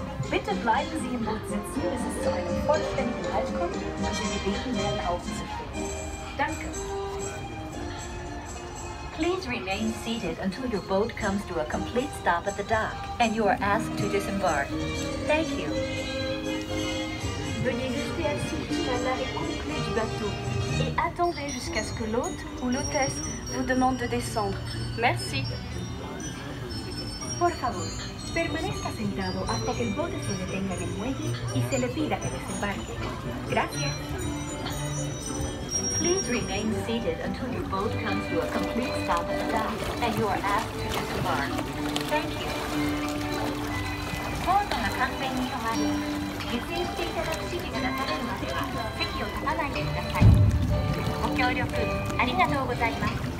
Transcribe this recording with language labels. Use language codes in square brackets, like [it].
[de] Bitte bleiben Sie im Boot sitzen, bis es zu einem vollständigen Halt kommt und Sie gebeten werden aufzustehen. Danke. [en] Please remain seated until your boat comes to a complete stop at the dock and you are asked to disembark. Thank you. [fr] Veuillez rester assis jusqu'à l'arrêt complet du bateau et attendez jusqu'à ce que l'hôte ou l'hôtesse vous demande de descendre. Merci. [es] Por favor, permanezca sentado hasta que el bote se detenga en el muelle y se le pida que desembarque. Gracias. [en] Please remain seated until your boat comes to a complete stop at the dock and you are asked to disembark. Thank you. [ja] ボートが完全に止まり、下船していただく指示が出されるまでは席を立たないでください。ご協力ありがとうございます。